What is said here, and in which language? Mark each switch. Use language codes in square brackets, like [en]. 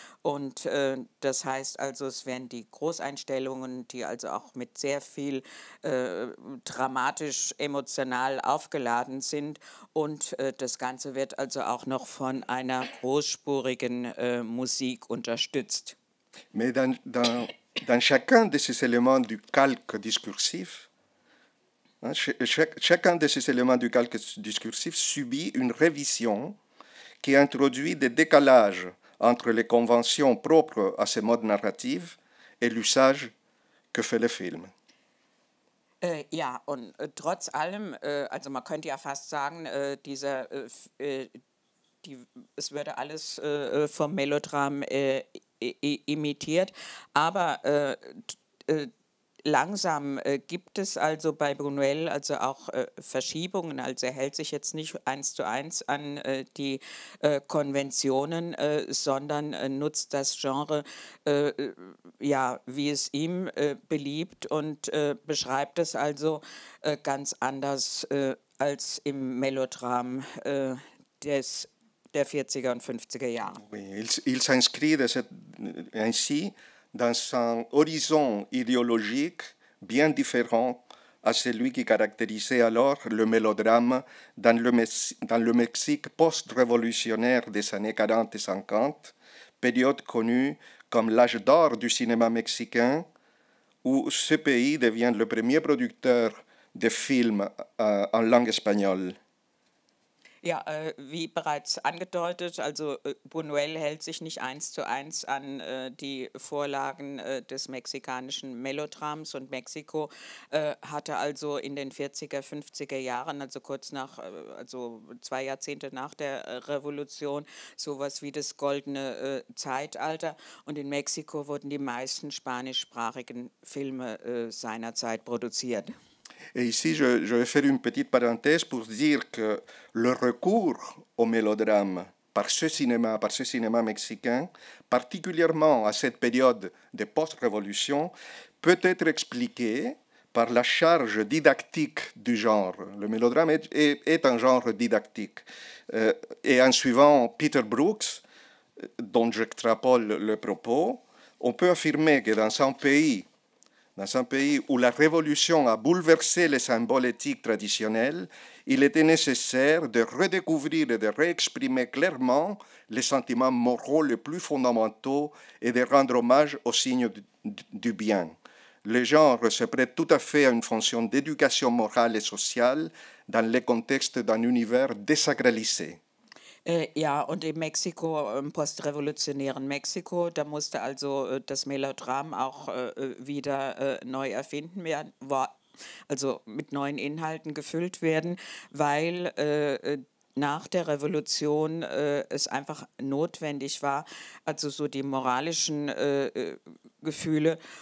[de] Und das heißt also, es werden die Großeinstellungen, die also auch mit sehr viel dramatisch, emotional aufgeladen sind. Und das Ganze wird also auch noch von einer großspurigen Musik unterstützt. [fr] Mais dans chacun de ces éléments du calque discursif, chacun de ces éléments du calque discursif subit une révision qui introduit des décalages entre les conventions propres à ces modes narratifs et l'usage que fait le film. [de] Ja, und trotz allem, also man könnte ja fast sagen, es würde alles vom Melodram imitiert, aber langsam gibt es also bei Buñuel also auch Verschiebungen, also er hält sich jetzt nicht eins zu eins an die Konventionen, sondern nutzt das Genre, wie es ihm beliebt und beschreibt es also ganz anders als im Melodram der 40er und 50er Jahre. [fr] Il s'inscrit ainsi dans un horizon idéologique bien différent à celui qui caractérisait alors le mélodrame dans le Mexique post-révolutionnaire des années 40 et 50, période connue comme l'âge d'or du cinéma mexicain, où ce pays devient le premier producteur de films en langue espagnole. [de] Ja, wie bereits angedeutet, also Buñuel hält sich nicht eins zu eins an die Vorlagen des mexikanischen Melodrams und Mexiko hatte also in den 40er, 50er Jahren, also kurz nach, also zwei Jahrzehnte nach der Revolution, sowas wie das goldene Zeitalter. Und in Mexiko wurden die meisten spanischsprachigen Filme seinerzeit produziert. [fr] Et ici, je vais faire une petite parenthèse pour dire que le recours au mélodrame par ce cinéma mexicain, particulièrement à cette période de post-révolution, peut être expliqué par la charge didactique du genre. Le mélodrame est un genre didactique. Et en suivant Peter Brooks, dont j'extrapole le propos, On peut affirmer que dans un pays où la révolution a bouleversé les symboles éthiques traditionnels, il était nécessaire de redécouvrir et de réexprimer clairement les sentiments moraux les plus fondamentaux et de rendre hommage aux signes du bien. Le genre se prête tout à fait à une fonction d'éducation morale et sociale dans le contexte d'un univers désacralisé. [de] Ja, und im Mexiko, im postrevolutionären Mexiko, da musste also das Melodram auch wieder neu erfinden werden, also mit neuen Inhalten gefüllt werden, weil nach der Revolution es einfach notwendig war, also so die moralischen Gefühle